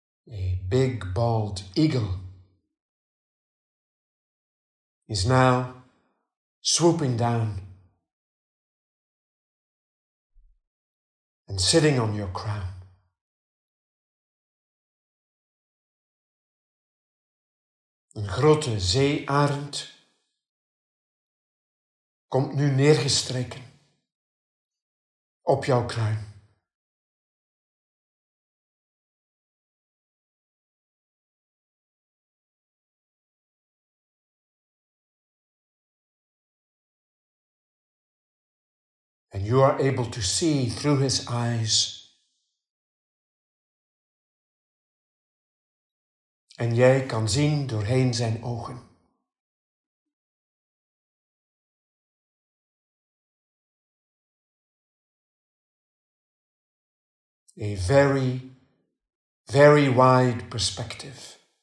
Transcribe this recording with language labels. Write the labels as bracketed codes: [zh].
[en] A big bald eagle is now swooping down and sitting on your crown. [nl] Een grote zeearend komt nu neergestreken op jouw kruin. [en] and you are able to see through his eyes. [nl] En jij kan zien doorheen zijn ogen. [en] A very, very wide perspective.